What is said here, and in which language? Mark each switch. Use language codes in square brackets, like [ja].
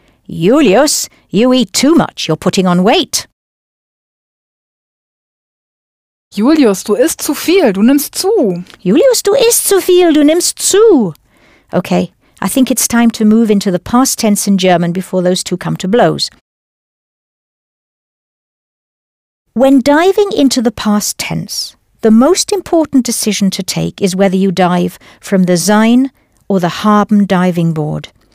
[en] Julius, you eat too much, you're putting on weight. [de] Julius, du isst zu viel, du nimmst zu. Julius, du isst zu viel, du nimmst zu. [en] Okay, I think it's time to move into the past tense in German before those two come to blows. When diving into the past tense, the most important decision to take is whether you dive from the Sein or the Haben diving board.